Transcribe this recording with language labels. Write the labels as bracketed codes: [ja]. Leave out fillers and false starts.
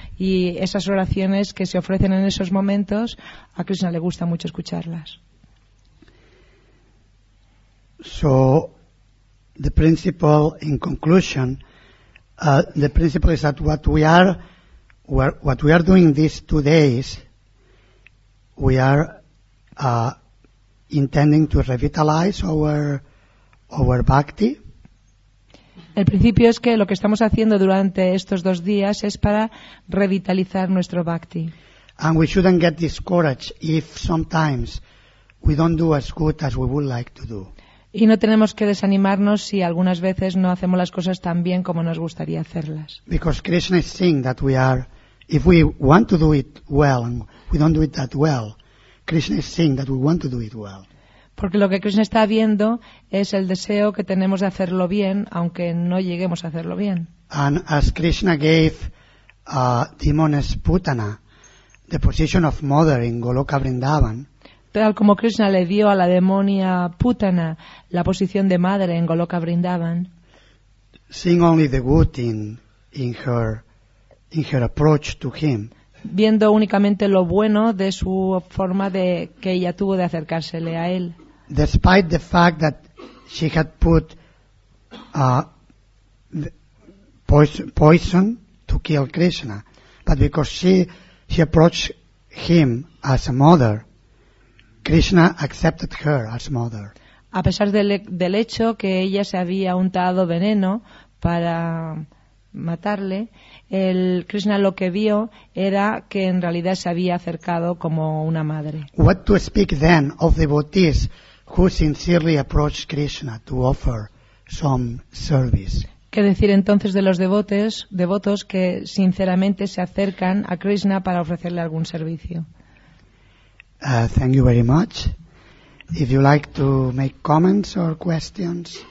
[es] Y esas oraciones que se ofrecen en esos momentos, a Krishna le gusta mucho escucharlas. [en] So, the principle in conclusion, the principle is that what we are doing these 2 days, we are intending to revitalize our bhakti. [es] El principio es que lo que estamos haciendo durante estos 2 días es para revitalizar nuestro bhakti. [en] And we shouldn't get discouraged if sometimes we don't do as good as we would like to do. [es] Y no tenemos que desanimarnos si algunas veces no hacemos las cosas tan bien como nos gustaría hacerlas. [en] Because Krishna is saying that we are, if we want to do it well and we don't do it that well, Krishna is saying that we want to do it well. [es] Porque lo que Krishna está viendo es el deseo que tenemos de hacerlo bien, aunque no lleguemos a hacerlo bien. [en] And as Krishna gave demoness Putana the position of mother in Goloka Vrindavan, [es] tal como Krishna le dio a la demonia Putana la posición de madre en Goloka Vrindavan, [en] seeing only the good in her approach to him, [es] viendo únicamente lo bueno de su forma de que ella tuvo de acercársele a él. [en] Despite the fact that she had put poison to kill Krishna, but because she approached him as a mother, Krishna accepted her as mother. [es] A pesar del hecho que ella se había untado veneno para matarle, el Krishna lo que vio era que en realidad se había acercado como una madre. [en] What to speak then of devotees who sincerely approach Krishna to offer some service? [es] ¿Qué decir entonces de los devotos que sinceramente se acercan a Krishna para ofrecerle algún servicio? [en] Thank you very much. If you like to make comments or questions.